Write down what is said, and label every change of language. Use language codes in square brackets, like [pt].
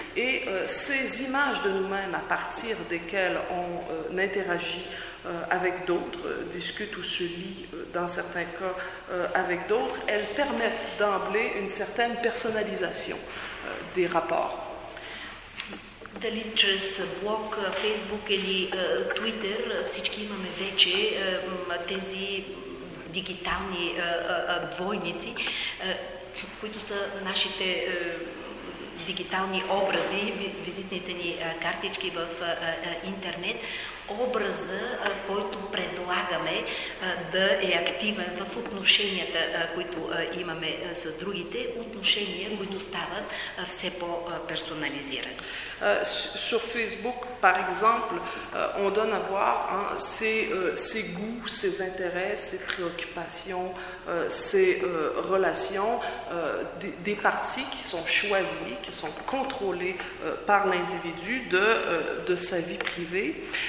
[fr] Et ces images de nous-mêmes à partir desquelles on interagit avec d'autres, discute ou se lie dans certains cas avec d'autres, elles permettent d'emblée une certaine personnalisation des rapports. [bg] Дали чрез блог, Фейсбук или Твитър, всички имаме вече тези дигитални двойници, които са нашите дигитални образи, визитните ни картички в интернет, образа, който предлагаме да е активен в отношенията, които имаме с другите, отношения, които стават все по-персонализирани. [fr] Sur Facebook, par exemple, on donne à voir hein, ses goûts, ses intérêts, ses préoccupations, ses relations, des parties qui sont choisies, qui sont contrôlées par l'individu de sa vie privée.